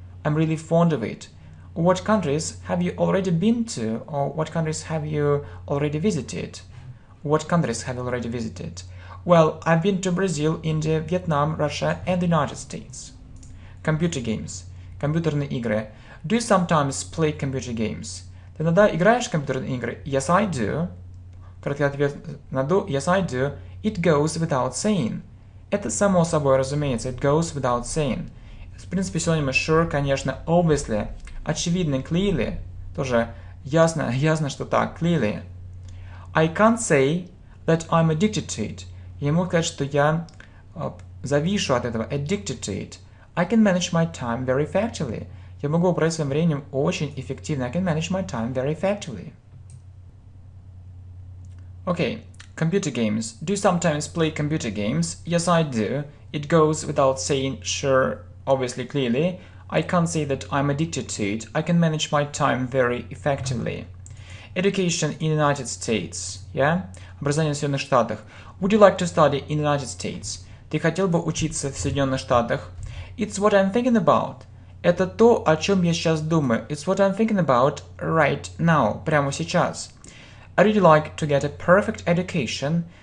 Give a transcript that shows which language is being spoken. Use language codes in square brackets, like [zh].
[en] I'm really fond of it. What countries have you already been to or what countries have you already visited? What countries have you already visited? Well, I've been to Brazil, India, Vietnam, Russia, and the United States. Computer games. [ru] Компьютерные игры. [en] Do you sometimes play computer games? [ru] Ты иногда играешь в компьютерные игры? [en] Yes, I do. [ru] Короткий ответ на do. [en] Yes, I do. It goes without saying. [ru] Это само собой разумеется. [en] It goes without saying. [ru] В принципе, синонимы [en] sure, [ru] конечно, [en] obviously. [ru] Очевидно, [en] clearly. [ru] Тоже ясно, ясно, что так, clearly. [en] I can't say that I'm addicted to it. [ru] Я не могу сказать, что я завишу от этого. [en] Addicted to it. I can manage my time very effectively. [ru] Я могу управлять своим временем очень эффективно. [en] I can manage my time very effectively. Okay, computer games. Do you sometimes play computer games? Yes, I do. It goes without saying sure, obviously, clearly. I can't say that I'm addicted to it. I can manage my time very effectively. Education in the United States. Yeah? [ru] Образование в Соединенных Штатах. [en] Would you like to study in the United States? [ru] Ты хотел бы учиться в Соединенных Штатах? [en] It's what I'm thinking about. [ru] Это то, о чем я сейчас думаю. [en] It's what I'm thinking about right now. [ru] Прямо сейчас. [en] I'd really like to get a perfect education.